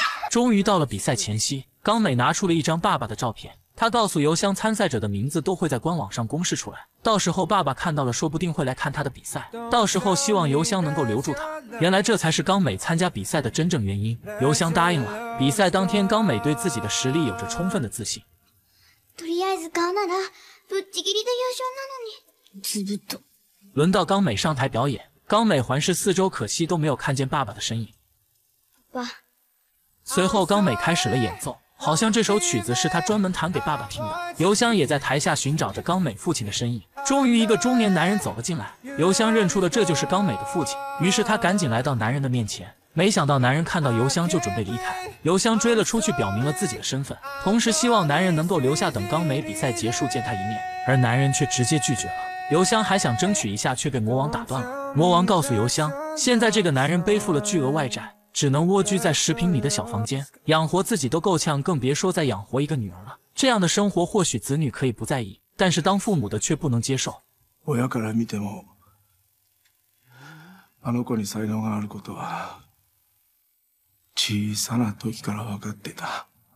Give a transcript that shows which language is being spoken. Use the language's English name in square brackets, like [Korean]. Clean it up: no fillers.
[Chinese] 终于到了比赛前夕，冈美拿出了一张爸爸的照片，他告诉邮箱参赛者的名字都会在官网上公示出来，到时候爸爸看到了说不定会来看他的比赛，到时候希望邮箱能够留住他。原来这才是冈美参加比赛的真正原因，邮箱答应了。比赛当天，冈美对自己的实力有着充分的自信。 [Japanese] とりあえず顔ならぶっちぎりで優勝なのに。ずぶと。 [Chinese] 轮到冈美上台表演，冈美环视四周，可惜都没有看见爸爸的身影。爸。随后冈美开始了演奏，好像这首曲子是他专门弹给爸爸听的。邮箱也在台下寻找着冈美父亲的身影，终于一个中年男人走了进来，邮箱认出了这就是冈美的父亲，于是他赶紧来到男人的面前，没想到男人看到邮箱就准备离开，邮箱追了出去，表明了自己的身份，同时希望男人能够留下等冈美比赛结束见他一面，而男人却直接拒绝了。邮箱还想争取一下，却被魔王打断了。魔王告诉邮箱，现在这个男人背负了巨额外债，只能蜗居在10平米的小房间，养活自己都够呛，更别说再养活一个女儿了。这样的生活或许子女可以不在意，但是当父母的却不能接受。 [Japanese] 親から見ても、あの子に才能があることは、小さな時から分かってた。